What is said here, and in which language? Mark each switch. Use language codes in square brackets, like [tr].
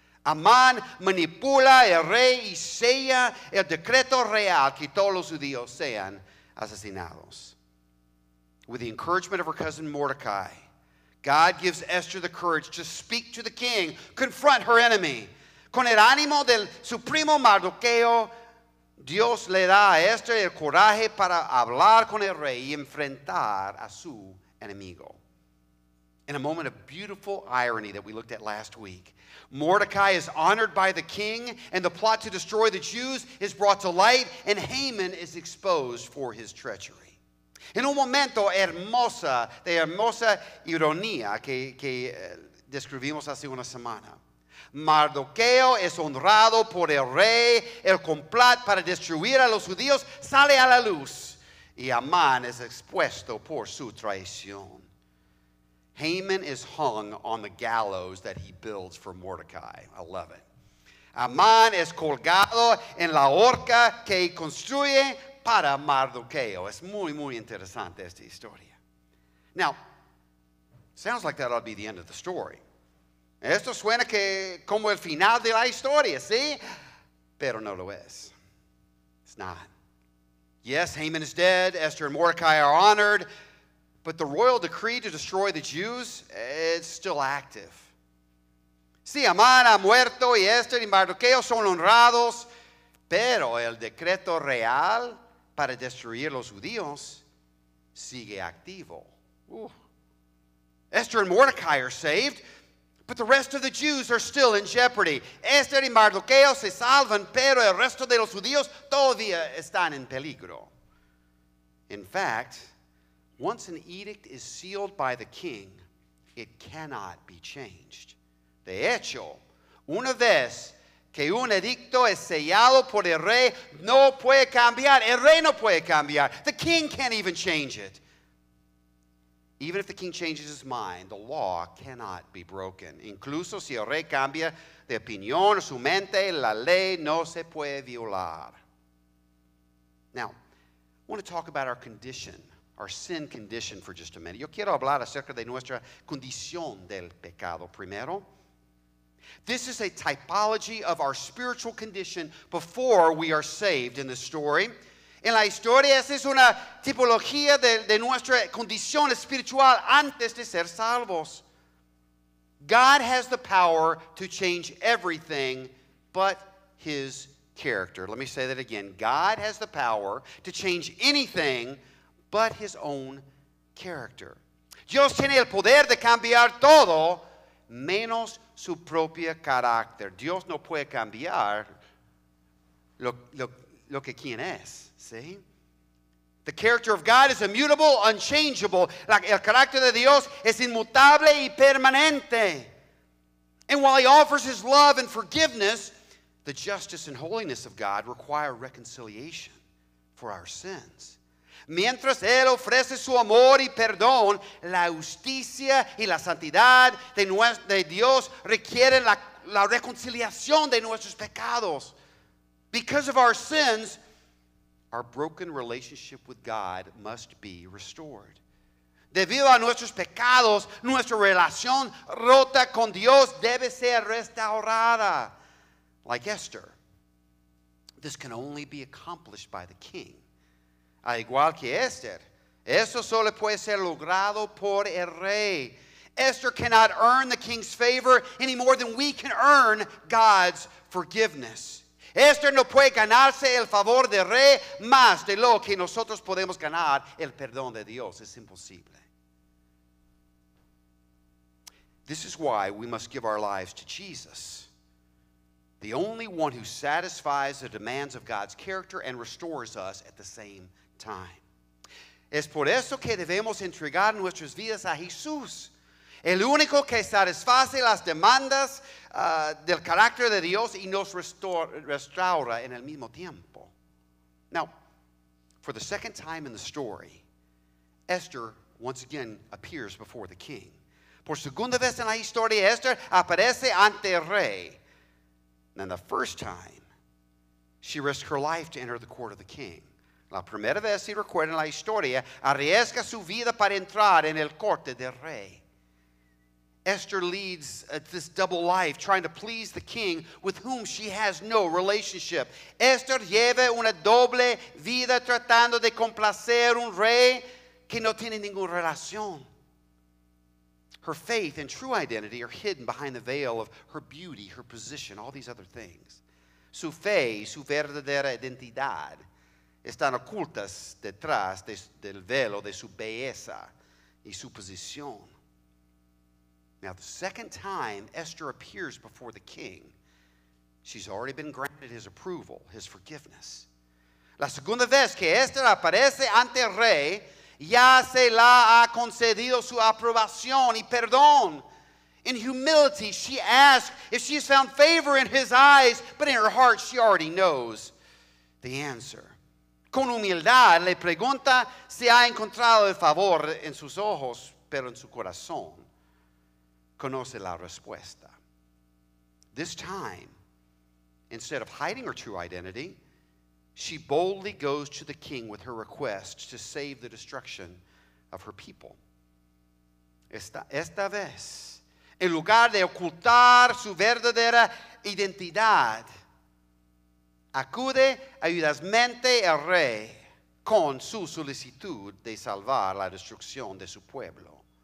[es] Amán manipula el rey y sella el decreto real que todos los judíos sean asesinados. [en] With the encouragement of her cousin Mordecai, God gives Esther the courage to speak to the king, confront her enemy. [es] Con el ánimo del supremo Mardoqueo, Dios le da a Esther el coraje para hablar con el rey y enfrentar a su enemigo. [en] In a moment of beautiful irony that we looked at last week, Mordecai is honored by the king, and the plot to destroy the Jews is brought to light, and Haman is exposed for his treachery. [es] En un momento hermosa, de hermosa ironía que describimos hace una semana. Mardoqueo es honrado por el rey, el complot para destruir a los judíos sale a la luz. Y Amán es expuesto por su traición. [en] Haman is hung on the gallows that he builds for Mordecai. I love it. [es] Amán es colgado en la horca que construye para Mardoqueo. Es muy, muy interesante esta historia. [en] Now, sounds like that ought to be the end of the story. [es] Esto suena que como el final de la historia, ¿sí? Pero no lo es. [en] It's not. Yes, Haman is dead. Esther and Mordecai are honored. But the royal decree to destroy the Jews, it's still active. [es] Sí, Amán ha muerto y Esther y Mardoqueo son honrados. Pero el decreto real para destruir los judíos sigue activo. Ooh. [en] Esther and Mordecai are saved, but the rest of the Jews are still in jeopardy. [es] Esther y Mardoqueo se salvan, pero el resto de los judíos todavía están en peligro. [en] In fact, once an edict is sealed by the king, it cannot be changed. [es] De hecho, una vez que un edicto es sellado por el rey, no puede cambiar. El rey no puede cambiar. [en] The king can't even change it. Even if the king changes his mind, the law cannot be broken. [es] Incluso si el rey cambia de opinión o su mente, la ley no se puede violar. [en] Now, I want to talk about our condition, our sin condition for just a minute. [es] Yo quiero hablar acerca de nuestra condición del pecado primero. [en] This is a typology of our spiritual condition before we are saved in the story. [es] En la historia, esa es una tipología de nuestra condición espiritual antes de ser salvos. [en] God has the power to change everything but his character. Let me say that again. God has the power to change anything but his own character. [es] Dios tiene el poder de cambiar todo menos su propio carácter. Dios no puede cambiar lo que quien es. [en] See? The character of God is immutable, unchangeable. [es] El carácter de Dios es inmutable y permanente. [en] And while he offers his love and forgiveness, the justice and holiness of God require reconciliation for our sins. [es] Mientras Él ofrece su amor y perdón, la justicia y la santidad de Dios requieren la reconciliación de nuestros pecados. [en] Because of our sins, our broken relationship with God must be restored. [es] Debido a nuestros pecados, nuestra relación rota con Dios debe ser restaurada. [en] Like Esther, this can only be accomplished by the king. [es] A igual que Esther, eso solo puede ser logrado por el rey. [en] Esther cannot earn the king's favor any more than we can earn God's forgiveness. [es] Esther no puede ganarse el favor del rey más de lo que nosotros podemos ganar el perdón de Dios. Es imposible. [en] This is why we must give our lives to Jesus, the only one who satisfies the demands of God's character and restores us at the same time. [es] Es por eso que debemos entregar nuestras vidas a Jesús, el único que satisface las demandas del carácter de Dios y nos restaura en el mismo tiempo. [en] Now, for the second time in the story, Esther once again appears before the king. [es] Por segunda vez en la historia, Esther aparece ante el rey. [en] And then the first time, she risked her life to enter the court of the king. [es] La primera vez, si recuerdan la historia, arriesga su vida para entrar en el corte del rey. [en] Esther leads this double life, trying to please the king with whom she has no relationship. [es] Esther lleva una doble vida tratando de complacer un rey que no tiene ninguna relación. [en] Her faith and true identity are hidden behind the veil of her beauty, her position, all these other things. [es] Su fe y su verdadera identidad están ocultas detrás del velo de su belleza y su posición. [en] Now, the second time Esther appears before the king, she's already been granted his approval, his forgiveness. [es] La segunda vez que Esther aparece ante el rey, ya se la ha concedido su aprobación y perdón. [en] In humility, she asks if she has found favor in his eyes, but in her heart, she already knows the answer. [es] Con humildad, le pregunta si ha encontrado el favor en sus ojos, pero en su corazón. Conoce la respuesta. [en] This time, instead of hiding her true identity, she boldly goes to the king with her request to save the destruction of her people. [es] Esta vez, en lugar de ocultar su verdadera identidad, acude audazmente al rey con su solicitud de salvar la destrucción de su pueblo.